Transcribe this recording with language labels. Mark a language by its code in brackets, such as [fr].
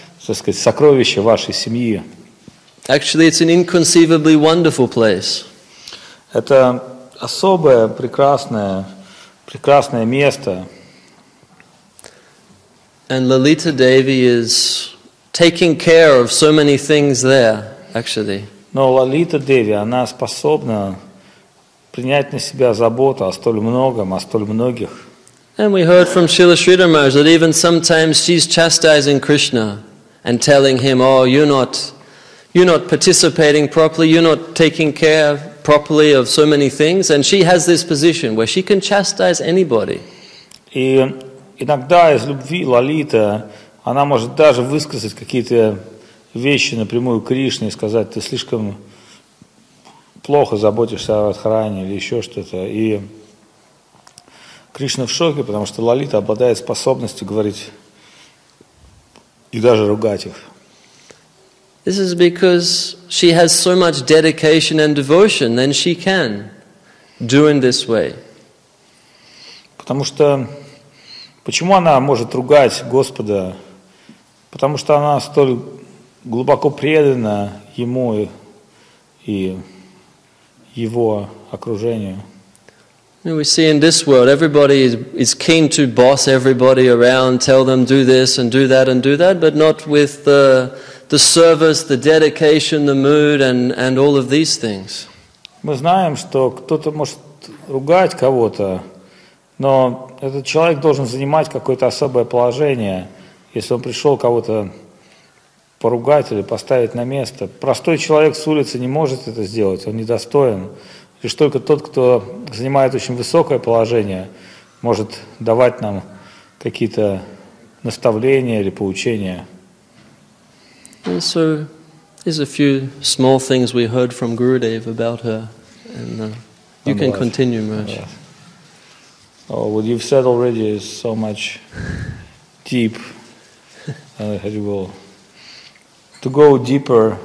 [ru] так сказать, сокровище вашей семьи. [en] Actually, it's an inconceivably wonderful place. [ru] Это особое, прекрасное, прекрасное место. [en] And Lalita Devi is taking care of so many things there, actually. [ru] Но Лалита Деви, она способна принять на себя заботу о столь многом, о столь многих. [en] And we heard from Srila Sridhar Maharaj that even sometimes she's chastising Krishna and telling him, oh, you're not participating properly, you're not taking care properly of so many things. And she has this position where she can chastise anybody. [ru] И иногда из любви Лалита, она может даже высказать какие-то вещи напрямую Кришне и сказать, ты слишком плохо заботишься о Радхаране или еще что-то. И Кришна в шоке, потому что Лалита обладает способностью говорить и даже ругать их. [en] This is because she has so much dedication and devotion, then she can do in this way. [ru] Потому что почему она может ругать Господа? Потому что она столь глубоко предана ему и его окружению. [en] We see in this world everybody is keen to boss everybody around, tell them do this and do that and do that, but not with the service, the dedication, the mood and all of these things. [ru] Мы знаем, что кто-то может ругать кого-то, но этот человек должен занимать какое-то особое положение, если он пришел кого-то поругать или поставить на место. Простой человек с улицы не может это сделать, он недостоин. Лишь только тот, кто занимает очень высокое положение, может давать нам какие-то наставления или поучения. [en] And so, there's a few small things we heard from Gurudev about her, and you can continue, Maharaj. Oh, what you've said already is so much deep. How you will to go deeper?